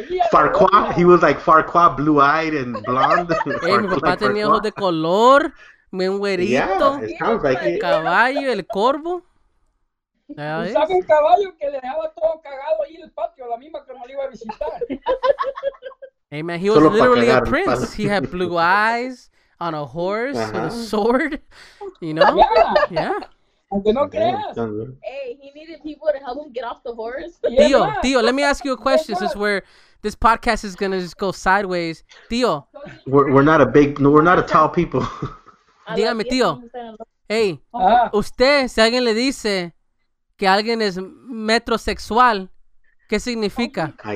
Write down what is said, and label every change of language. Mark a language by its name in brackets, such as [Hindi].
[English] Farquaad, he was like Farquaad, blue-eyed and blonde. [Spanish] Hey, mi papá tenía ojos de color, buen güerito, [English] yeah, like [Spanish] el caballo, el corvo. Usaba un caballo que le dejaba todo cagado ahí en el patio, la misma que no le iba a visitar. [English] Amen. He was literally a prince. He had blue eyes on a horse with a sword. You know? Yeah. Yeah. Hey, he needed people to help him get off the horse. Tio, let me ask you a question. This is where this podcast is gonna just go sideways. Tio, we're not a tall people. [Spanish] Dígame, tío. Hey, usted, si alguien le dice que alguien es metrosexual, ¿qué significa?